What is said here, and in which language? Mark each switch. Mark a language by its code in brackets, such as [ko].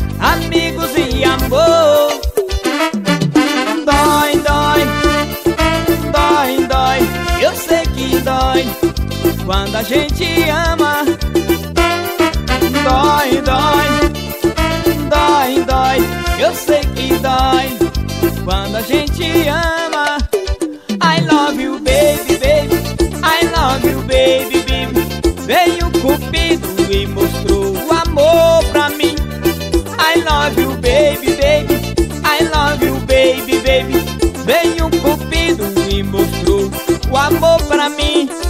[pt] Amigos e amor, dói, dói, dói, dói. Eu sei que dói quando a gente ama. Dói, dói, dói, dói. Eu sei que dói quando a gente ama. [en] I love you, baby, baby. I love you, baby, baby. [pt] Veio um cupido e mostrou o amor pra mim. [en] I love you, baby, baby. I love you, baby, baby. [pt] Veio um cupido e mostrou o amor pra mim.